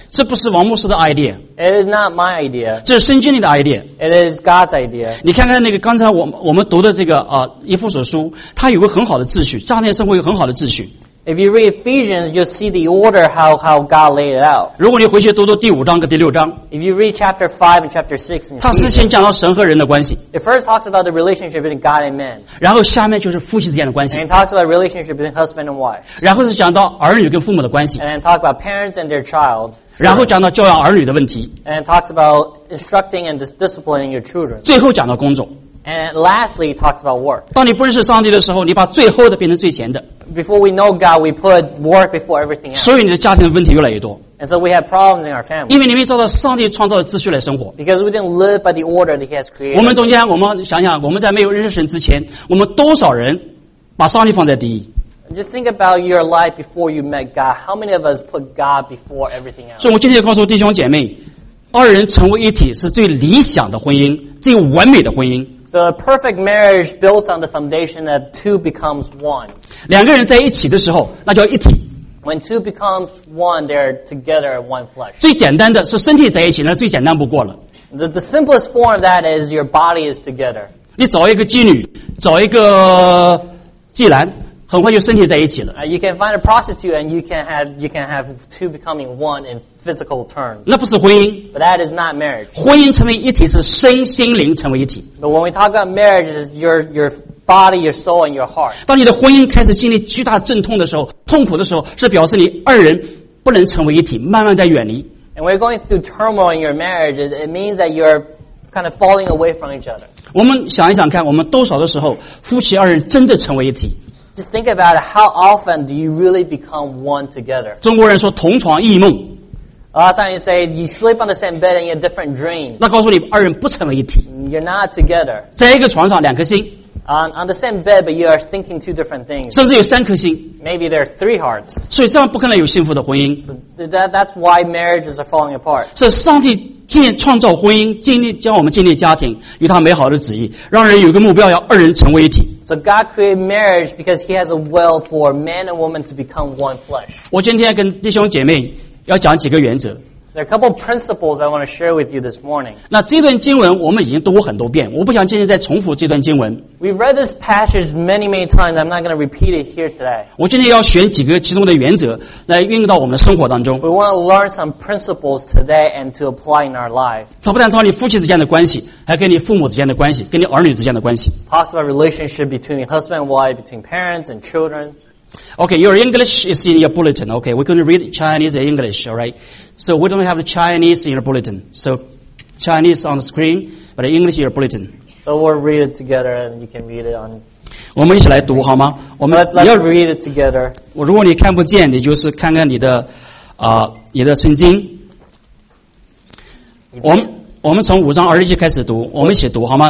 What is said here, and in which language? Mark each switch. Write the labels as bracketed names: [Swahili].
[Chinese] 这不是王牧师的 idea. [English] It is not my idea. [Chinese] 这是圣经里的 idea. [English] It is God's idea. [Chinese] 你看看那个刚才我们读的这个以弗所书，它有个很好的秩序，家庭生活有很好的秩序。 [English] If you read Ephesians, you'll see the order how God laid it out. [Chinese] 如果你回去读第五章跟第六章， [English] If you read chapter 5 and chapter 6 in Ephesians, [Chinese] 它是先讲到神和人的关系。 [English] It first talks about the relationship between God and man. [Chinese] 然后下面就是夫妻之间的关系。 [English] And it talks about relationship between husband and wife. [Chinese] 然后是讲到儿女跟父母的关系。 [English] And it talks about parents and their child. [Chinese] 然后讲到教养儿女的问题。 [English] And it talks about instructing and disciplining your children. [Chinese] 最后讲到工作。 [English] And lastly, it talks about work. [Chinese] 当你不认识上帝的时候，你把最后的变成最前的。 [English] Before we know God, we put work before everything else. [Chinese] 所以你的家庭的问题越来越多。 [English] And so we have problems in our family. [Chinese] 因为你没照着上帝创造的秩序来生活。 [English] Because we didn't live by the order that He has created. [Chinese] 我们中间，我们想想，我们在没有认识神之前，我们多少人把上帝放在第一？ [English] Just think about your life before you met God. How many of us put God before everything else? [Chinese] 所以我今天告诉弟兄姐妹，二人成为一体是最理想的婚姻，最完美的婚姻。 [English] So a perfect marriage built on the foundation that two becomes one. [Chinese] 两个人在一起的时候，那叫一体。 [English] When two becomes one, they're together one flesh. [Chinese] 最简单的是身体在一起，那最简单不过了。 [English] The simplest form of that is your body is together. [Chinese] 你找一个妓女，找一个妓男，很快就身体在一起了。 [English] You can find a prostitute and you can have two becoming one in physical terms. [Chinese] 那不是婚姻。 [English] But that is not marriage. [Chinese] 婚姻成为一体是身心灵成为一体。 [English] But when we talk about marriage, it's your body, your soul, and your heart. [Chinese] 当你的婚姻开始经历巨大阵痛的时候，痛苦的时候，是表示你二人不能成为一体，慢慢在远离。 [English] And we're going through turmoil in your marriage. It means that you're kind of falling away from each other. [Chinese] 我们想一想看，我们多少的时候夫妻二人真的成为一体。 [English] Just think about it. How often do you really become one together? [Chinese] 中国人说同床异梦。 [English] A lot of times you say you sleep on the same bed and you have different dreams. [Chinese] 那告诉你二人不成为一体。 [English] You're not together. [Chinese] 在一个床上两颗心。 [English] On the same bed, but you are thinking two different things. [Chinese] 甚至有三颗心。 [English] Maybe there are three hearts. [Chinese] 所以这样不可能有幸福的婚姻。 [English] That's why marriages are falling apart. [Chinese] 是上帝创造婚姻，将我们建立家庭，有他美好的旨意，让人有个目标，要二人成为一体。 [English] So God created marriage because He has a will for man and woman to become one flesh. [Chinese] 我今天跟弟兄姐妹要讲几个原则。 [English] There are a couple of principles I want to share with you this morning. [Chinese] 那这段经文我们已经读过很多遍，我不想今天再重复这段经文。 [English] We've read this passage many times. I'm not going to repeat it here today. [Chinese] 我今天要选几个其中的原则来运用到我们的生活当中。 [English] We want to learn some principles today and to apply in our life. [Chinese] 它不但讨论你夫妻之间的关系，还跟你父母之间的关系，跟你儿女之间的关系。 [English] Talks about relationship between husband and wife, between parents and children. Okay, your English is in your bulletin. Okay, we're going to read Chinese and English, all right? So we don't have the Chinese in your bulletin. So Chinese on the screen, but the English in your bulletin. So we'll read it together and you can read it on... [Chinese] 我们一起来读好吗? [English] Let's read it together. [Chinese] 如果你看不见, 你就是看看你的, 你的圣经。我们从5章21节开始读, 我们一起读好吗?